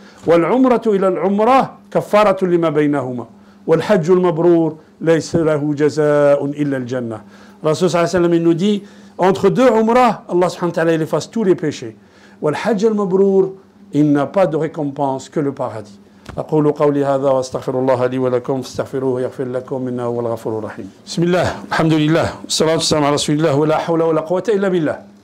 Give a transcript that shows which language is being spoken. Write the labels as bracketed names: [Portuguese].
[Arabic] والعمرة إلى العمرة كفارة لما بينهما والحج المبرور ليس له جزاء إلا الجنة. رسول صلى الله عليه وسلم [French] nous dit, entre deux umrah, Allah subhanahu wa ta'ala il efface tous les péchés. [Arabic] والحج المبرور, [French] il n'a pas de récompense que le paradis. [Arabic] أقول قولي هذا واستغفر الله لي ولكم فاستغفروه يغفر لكم إنه هو الغفور الرحيم. بسم الله الحمد لله والصلاة والسلام على رسول الله ولا حول ولا قوة إلا بالله.